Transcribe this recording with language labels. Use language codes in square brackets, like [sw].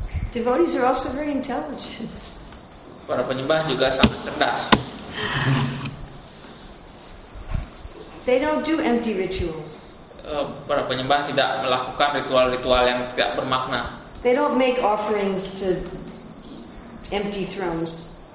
[en] Devotees are also very intelligent. [id] Para penyembah juga sangat cerdas. [en] They don't do empty rituals. [id] Para penyembah tidak melakukan ritual-ritual yang tidak bermakna. [en] They don't make offerings to empty thrones.